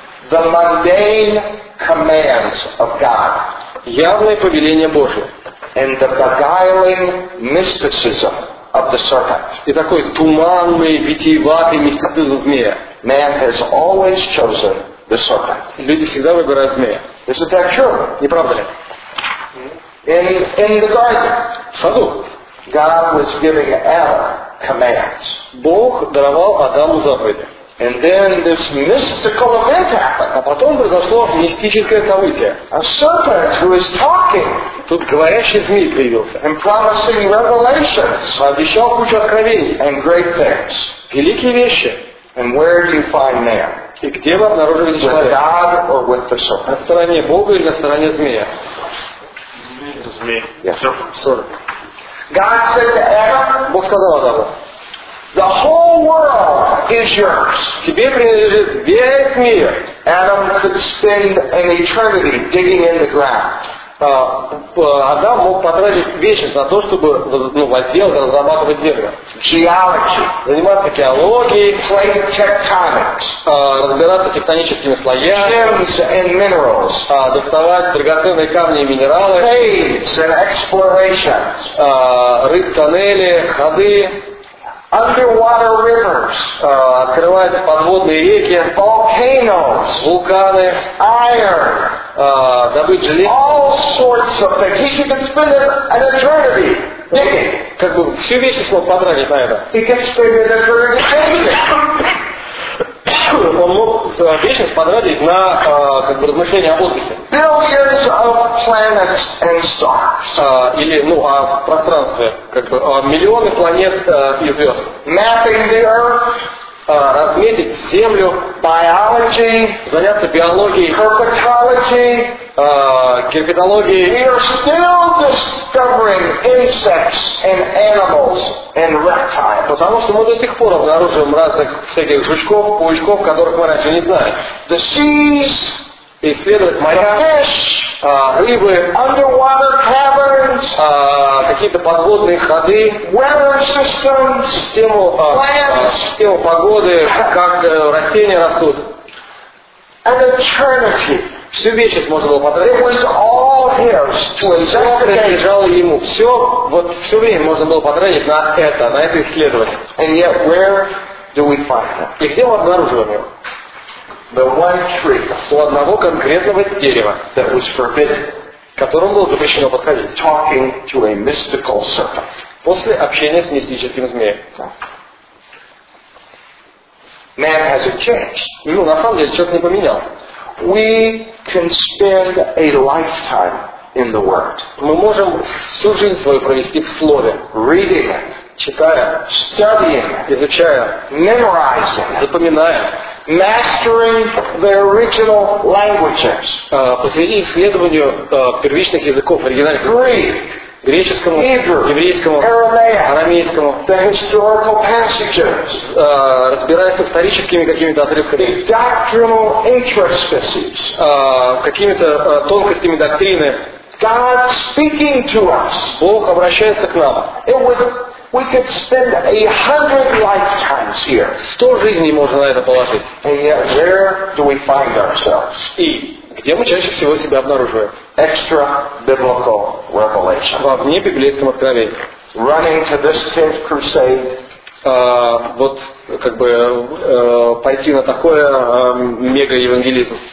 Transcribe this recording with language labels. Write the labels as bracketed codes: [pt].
[en] the mundane commands of God, [ru] явное повеление Божие, [en] and the beguiling mysticism of the serpent, [ru] и такой туманный, витиеватый мистицизм змея, [en] man has always chosen the serpent. [ru] Люди всегда выбирают змея. [en] Is that true? [ru] Не правда ли? [en] In the garden, [ru] в саду, [en] God was giving Adam commands. [ru] Бог даровал Адаму заповеди. [en] And then this mystical event happened. [ru] А потом произошло мистическое событие. [en] A serpent who is talking. [ru] Тут говорящий змей появился. [en] And promising revelations. [ru] Обещал кучу откровений. [en] And great things. [ru] Великие вещи. [en] And where do you find man? [ru] И где вы обнаружили человека? [en] With God or with the serpent? [ru] На стороне Бога или на стороне змея? Змей. [en] Yeah. Sorry. God said to Adam. [ru] Бог сказал Адаму. [en] The whole world is yours. [ru] Тебе принадлежит весь мир. [en] Adam could spend an eternity digging in the ground. [ru] Адам мог потратить вечность на то, чтобы возделать, разрабатывать землю. [en] Geology. [ru] Заниматься геологией. [en] Play tectonics. [ru] Разбираться тектоническими слоями. [en] Gems and minerals. [ru] Доставать драгоценные камни и минералы. [en] Caves and explorations. [ru] Рыть тоннели, ходы. [en] Underwater rivers, [ru] открывать подводные реки, [en] volcanoes, [ru] вулканы, [en] iron, [ru] добыть железо, [en] all sorts of things. He could spend an eternity digging. [ru] Как бы всю вещь смог потратить на это. [en] He could spend an eternity chasing. [ru] Он мог вечность потратить на размышления об отдыхе. [en] Billions of planets and stars. [ru] О пространстве. Миллионы планет и звезд. [en] Mapping the Earth. [ru] Разметить Землю. [en] Biology. [ru] Заняться биологией. [en] Herpetology. [ru] Герпетологией. [en] We are still discovering insects and animals and reptiles. [ru] Потому что мы до сих пор обнаруживаем разных всяких жучков, паучков, которых мы раньше не знали. [en] The seas. [ru] Исследовать моря. [en] The fish. [ru] Рыбы. [en] Underwater caverns. [ru] Какие-то подводные ходы. [en] Weather systems. [ru] Систему погоды. Как растения растут. [en] An eternity. [ru] Всю вечность можно было потратить. [en] It was all his to investigate. [ru] Все принадлежало ему. Все время можно было потратить на это исследование. [en] And yet, where do we find him? [ru] И где мы обнаруживаем его? [en] The one tree. [ru] У одного конкретного дерева. [en] That was forbidden. [ru] Которому было запрещено подходить. [en] Talking to a mystical serpent. [ru] После общения с мистическим змеем. [en] Man hasn't changed. [ru] Ну, на самом деле, человек не поменялся. [en] We can spend a lifetime in the Word. [ru] Мы можем всю жизнь свою провести в Слове. [en] Reading it. [ru] Читая. [en] Studying it. [ru] Изучая. [en] Memorizing it. [ru] Запоминая. [en] Mastering the original languages. [ru] Посвяти исследованию первичных языков, оригинальных. [en] Greek. [ru] Греческому, [en] Hebrew, [ru] еврейскому, арамейскому, [en] the historical passages, [ru] разбираясь с историческими какими-то отрывками, [en] the doctrinal intricacies, [ru] какими-то тонкостями доктрины, [en] God speaking to us, [ru] Бог обращается к нам. [en] It would We could spend 100 lifetimes here. [ru] 100 жизней можно на это положить. [en] And yet, where do we find ourselves? [ru] И где мы чаще всего себя обнаруживаем? [en] Extra biblical revelation. [ru] Во вне библейском откровении. [en] Running to this tent crusade. [ru] Вот как бы пойти на такое мега евангелизм.